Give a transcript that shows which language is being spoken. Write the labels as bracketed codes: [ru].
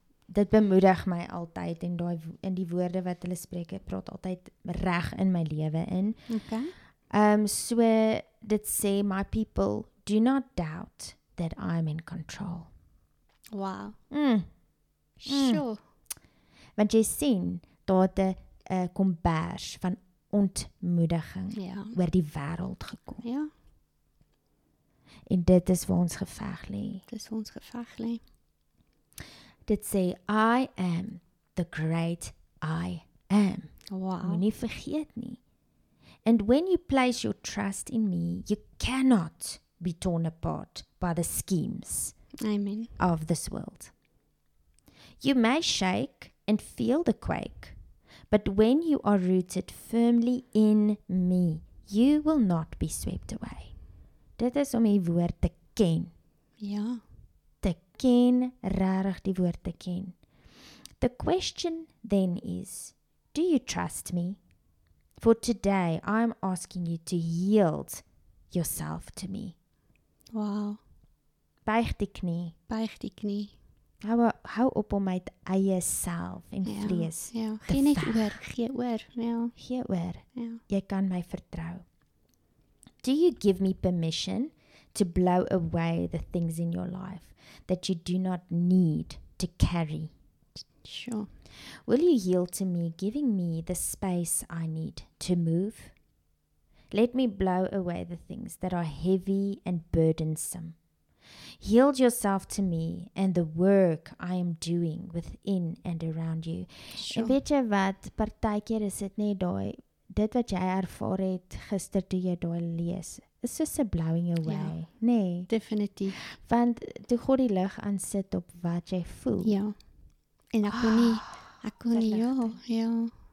[af] Dit bemoedig my altyd en daai in die woorde wat hulle spreek, ek praat altyd reg in my lewe in. [en] Okay. [af] So dit sê my [en] people do not doubt that I'm in control. Wow. Sure. [af] Want jy sien, daar het 'n kombers van ontmoediging oor die wêreld gekom. Ja. En dit is waar ons geveg lê. Dis ons geveg lê. Dit sê, [en] I am the great I am. Wow. [af] Moenie vergeet nie. [en] And when you place your trust in me, you cannot be torn apart by the schemes of this world. You may shake and feel the quake, but when you are rooted firmly in me, you will not be swept away. [af] Dit is om die woord te ken. Ja. Te ken, rarig die woord te ken. [en] The question then is, do you trust me? For today, I'm asking you to yield yourself to me. Wow. [af] Buig die knie. Buig die knie. Hou op om my eie self en vrees te veg. Gee net oor, gee oor. Ja. Gee oor. Ja. Jy kan my vertrou. [en] Do you give me permission to blow away the things in your life that you do not need to carry? Sure. Will you yield to me, giving me the space I need to move? Let me blow away the things that are heavy and burdensome. Yield yourself to me and the work I am doing within and around you. Sure. [af] En weet jy wat, partykeer is dit net daai, dit wat jy ervaar het gister toe jy daai lees, is soos 'n [en] blowing away, [af] nee. Definitief. Want toe God die lig aan sit op wat jy voel. Ja. En ek kon nie, ek kon nie, ja.